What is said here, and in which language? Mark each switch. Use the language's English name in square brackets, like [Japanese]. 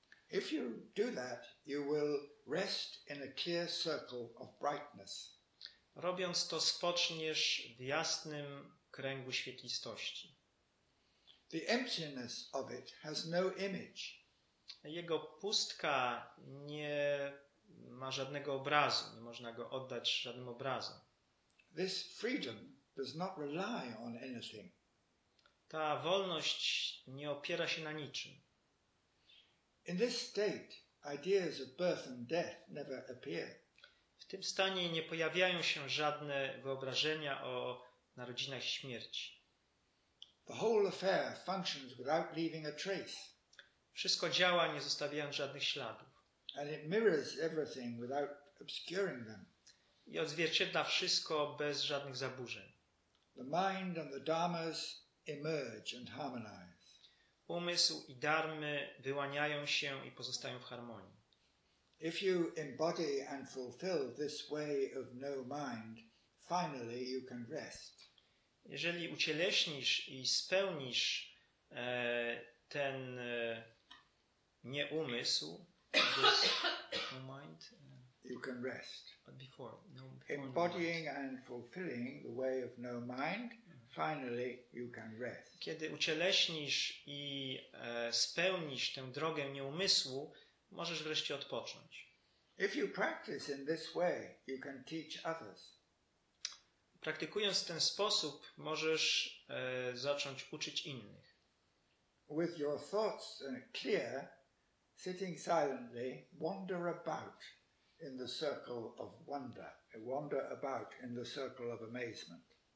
[English] If you do that, you will rest in a clear circle of brightness. [Polish] Robiąc to, spoczniesz w jasnym kręgu świetlistości. [English] The emptiness of it has no image. [Polish] Jego pustka nie ma żadnego obrazu, nie można go oddać żadnym obrazom. [English] This freedom does not rely on anything. [Polish] Ta wolność nie opiera się na niczym. [English] In this state, ideas of birth and death never appear. [Polish] W tym stanie nie pojawiają się żadne wyobrażenia o narodzinach i śmierci. [English] The whole affair functions without leaving a trace. [Polish] Wszystko działa, nie zostawiając żadnych śladów. [English] And it mirrors everything without obscuring them. [Polish] I odzwierciedla wszystko bez żadnych zaburzeń. [English] The mind and the dharmas emerge and harmonize. [Polish] Umysł i dharmy wyłaniają się i pozostają w harmonii. [English] If you embody and fulfill this way of no mind, finally you can rest. [Polish] Jeżeli ucieleśnisz i spełnisz ten nie umysł, [English] no mind. You can rest. But before, no, embodying and fulfilling the way of no mind, finally you can rest. [Polish] Kiedy ucieleśnisz i spełnisz tę drogę nieumysłu, możesz wreszcie odpocząć. [English] If you practice in this way, you can teach others. [Polish] Praktykując w ten sposób, możesz zacząć uczyć innych. [English] With your thoughts clear, sitting silently, wander about in the circle of wonder, wander about in the circle of amazement.